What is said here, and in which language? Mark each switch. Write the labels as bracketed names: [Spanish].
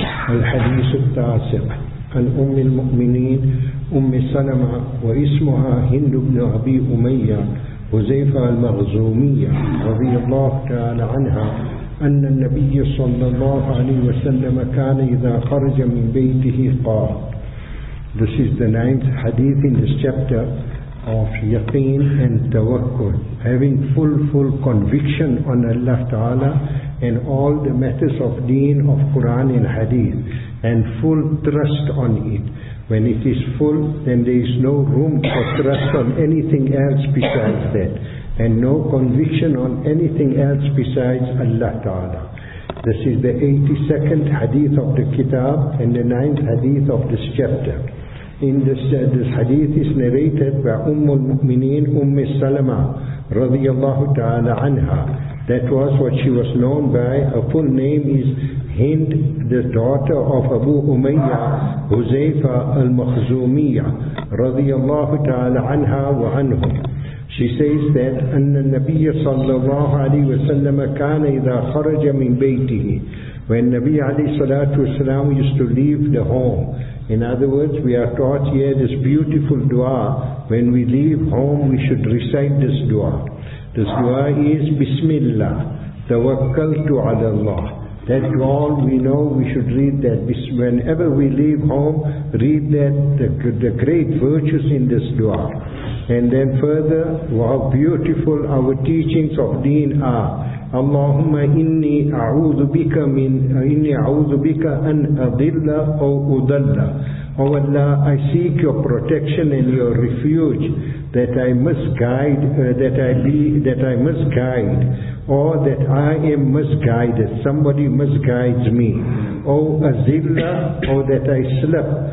[Arabic] الحديث التاسع عن أم المؤمنين أم سلمة واسمها هند بن أبي أمية حذيفة المخزومية رضي الله تعالى عنها أن النبي صلى الله عليه وسلم كان إذا خرج من بيته قال. [English] This is the ninth hadith in this chapter of yaqeen and tawakkul, having full conviction on Allah Ta'ala in all the matters of deen, of Quran and hadith, and full trust on it. When it is full, then there is no room for trust on anything else besides that, and no conviction on anything else besides Allah Ta'ala. This is the 82nd hadith of the kitab and the 9th hadith of this chapter. In this hadith is narrated by Ummul Mu'mineen, Umm Salama, radiyallahu ta'ala anha. That was what she was known by. Her full name is Hind, the daughter of Abu Umayya, Huzaifa al-Makhzumiyya, radiyallahu ta'ala anha wa anhum. She says that, [Arabic] أَنَّ النَّبِيَّ صَلَّى اللَّهُ عَلَيْهِ وَسَلَّمَ كَانَ إِذَا خَرَجَ مِنْ بَيْتِهِ. [English] When Nabi alayhi salatu wasalam used to leave the home. In other words, we are taught here this beautiful dua. When we leave home, we should recite this dua. This dua is Bismillah, Tawakkaltu ala Allah. That dua, we know we should read that. Whenever we leave home, read that, the great virtues in this dua. And then further, how beautiful our teachings of deen are. [Arabic] اللهم إني أعوذ بك من إني أعوذ بك أن أضل أو أضل. [English] Oh Allah, I seek your protection and your refuge that I must guide, that I must guide, or that I am misguided. Somebody misguides me. Oh أضل, or that I slip.